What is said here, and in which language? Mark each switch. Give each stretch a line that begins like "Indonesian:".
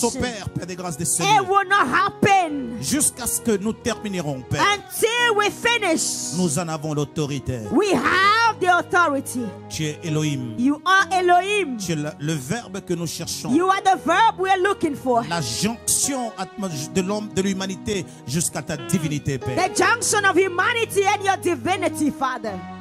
French: Ne s'opère, Père de grâce de ce
English: lieu. It will not happen.
French: Jusqu'à ce que nous terminerons, Père.
English: Until we finish.
French: Nous en avons l'autorité.
English: We have the authority.
French: Tu es Elohim.
English: You are Elohim.
French: Tu es le verbe que nous cherchons.
English: You are the verb we are looking for.
French: La jonction de l'homme, de l'humanité jusqu'à ta divinité, Père.
English: The junction of humanity and your divinity, Father.